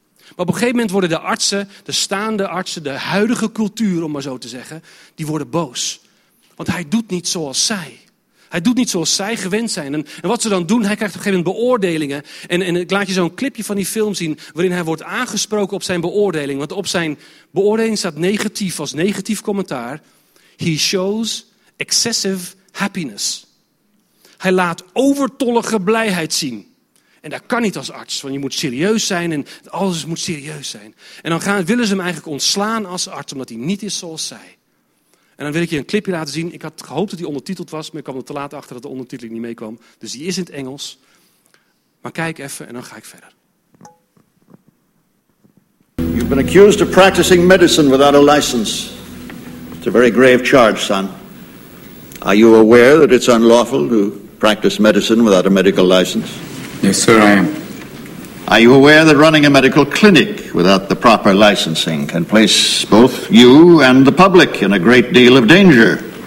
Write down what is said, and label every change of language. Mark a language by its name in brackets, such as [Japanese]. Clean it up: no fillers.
[Dutch] Maar op een gegeven moment worden de artsen, de staande artsen, de huidige cultuur, om maar zo te zeggen, die worden boos. Want hij doet niet zoals zij. Hij doet niet zoals zij gewend zijn. En wat ze dan doen, hij krijgt op een gegeven moment beoordelingen. En ik laat je zo'n clipje van die film zien, waarin hij wordt aangesproken op zijn beoordeling. Want op zijn beoordeling staat negatief, als negatief commentaar. [English] He shows excessive happiness. [Dutch] Hij laat overtollige blijheid zien. En dat kan niet als arts, want je moet serieus zijn en alles moet serieus zijn. En dan willen ze hem eigenlijk ontslaan als arts, omdat hij niet is zoals zij. En dan wil ik je een clipje laten zien. Ik had gehoopt dat hij ondertiteld was, maar ik kwam er te laat achter dat de ondertiteling niet meekwam. Dus die is in het Engels. Maar kijk even en dan ga ik verder. [English] You've been accused of practicing medicine without a license. It's a very grave charge, son. Are you aware that it's unlawful to practice medicine without a medical license? Yes, sir, I am. Are you aware that running a medical clinic without the proper licensing can place both you and the public in a great deal of danger?